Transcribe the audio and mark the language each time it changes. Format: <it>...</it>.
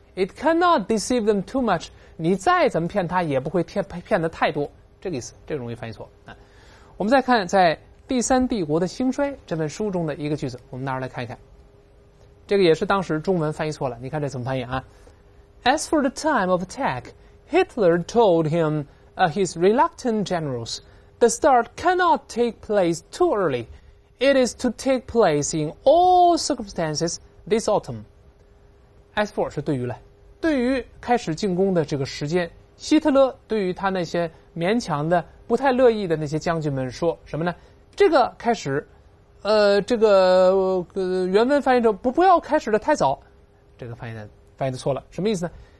<en>It cannot deceive them too much，</en> <zh>你再怎么骗他也不会骗得太多，这个意思，这个容易翻译错。我们再看在第三帝国的兴衰这本书中的一个句子，我们拿出来看一看，这个也是当时中文翻译错了，你看这怎么翻译啊。</zh> <en>As for the time of attack, Hitler told him his reluctant generals, the start cannot take place too early. It is to take place in all circumstances this autumn.</en> <zh>As for 是对于了，对于开始进攻的这个时间，希特勒对于他那些勉强的不太乐意的那些将军们说什么呢？这个开始原文翻译成不要开始的太早，这个翻译的错了。什么意思呢？</zh>